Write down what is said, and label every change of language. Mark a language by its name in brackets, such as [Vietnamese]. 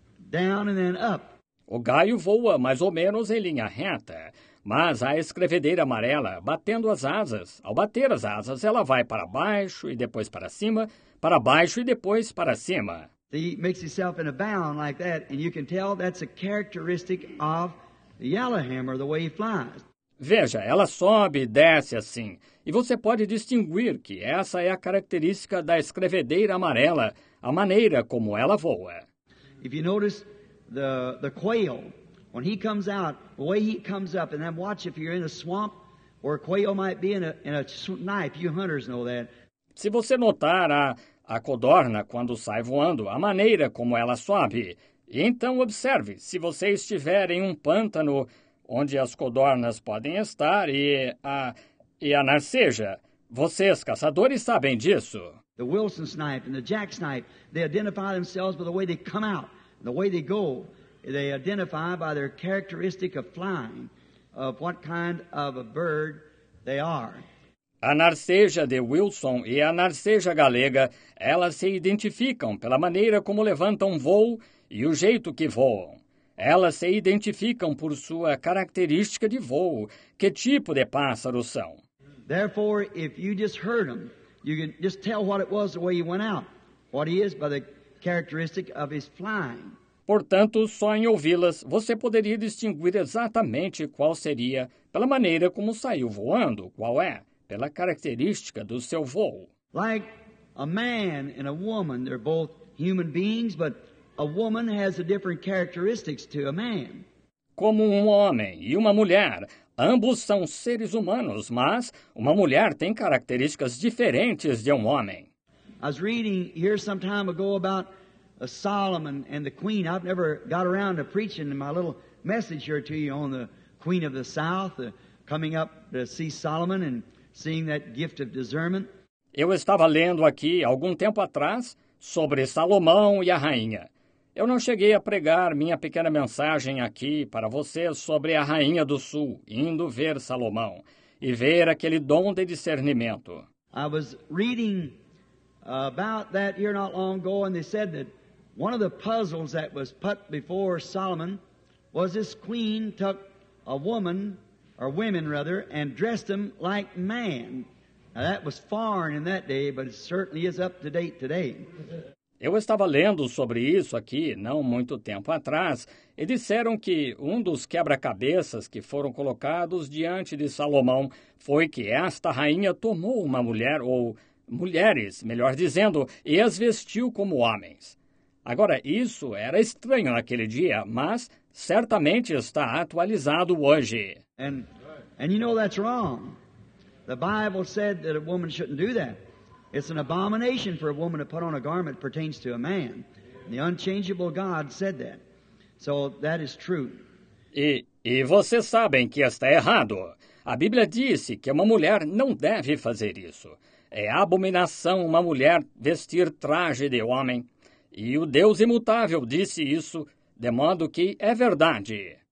[English] Down and then up. [Portuguese] O gaio voa mais ou menos em linha reta, mas a escrevedeira amarela, batendo as asas, ao bater as asas, ela vai para baixo e depois para cima, para baixo e depois para cima. [English] He makes himself in a bound like that, and you can tell that's a characteristic of the yellowhammer, the way he flies. [Portuguese] Veja, ela sobe e desce assim, e você pode distinguir que essa é a característica da escrevedeira amarela, a maneira como ela voa. [English] If you notice the quail, when he comes out, the way he comes up, and then watch if you're in a swamp where a quail might be in a knife, you hunters know that. [Portuguese] Se você notar a codorna quando sai voando, a maneira como ela sobe, então observe, se você estiver em um pântano onde as codornas podem estar e a narceja, vocês, caçadores, sabem disso. [English] The Wilson snipe and the Jack snipe, they identify themselves by the way they come out, the way they go. They identify by their characteristic of flying, of what kind of a bird they are. [Portuguese] A narceja de Wilson e a narceja galega, elas se identificam pela maneira como levantam voo e o jeito que voam. Elas se identificam por sua característica de voo, que tipo de pássaros são. [English] Therefore, if you just heard them, you can just tell what it was the way he went out, what he is by the characteristic of his flying. [Portuguese] Portanto, só em ouvi-las, você poderia distinguir exatamente qual seria, pela maneira como saiu voando, qual é, pela característica do seu voo. [English] Like a man and a woman, they're both human beings, but a woman has a different characteristics to a man. [Portuguese] Como um homem e uma mulher, ambos são seres humanos, mas uma mulher tem características diferentes de um homem. [English] I was reading here some time ago about Solomon and the Queen. I've never got around to preaching my little message here to you on the Queen of the South, coming up to see Solomon and seeing that gift of discernment. [Portuguese] Eu estava lendo aqui algum tempo atrás sobre Salomão e a rainha. Eu não cheguei a pregar minha pequena mensagem aqui para vocês sobre a Rainha do Sul, indo ver Salomão e ver aquele dom de discernimento. [English] I was reading about that here not long ago, and they said that one of the puzzles that was put before Solomon was this queen took a woman, or women rather, and dressed them like man. Now that was foreign in that day, but it certainly is up to date today. [Portuguese] Eu estava lendo sobre isso aqui, não muito tempo atrás, e disseram que um dos quebra-cabeças que foram colocados diante de Salomão foi que esta rainha tomou uma mulher, ou mulheres, melhor dizendo, e as vestiu como homens. Agora, isso era estranho naquele dia, mas certamente está atualizado hoje. [English] And you know that's wrong. The Bible said that a woman shouldn't do that. It's an abomination for a woman to put on a garment that pertains to a man. The unchangeable God said that. So that is true. [Portuguese] E vocês sabem que está errado. A Bíblia disse que uma mulher não deve fazer isso. É abominação uma mulher vestir traje de homem. E o Deus imutável disse isso, de modo que é verdade.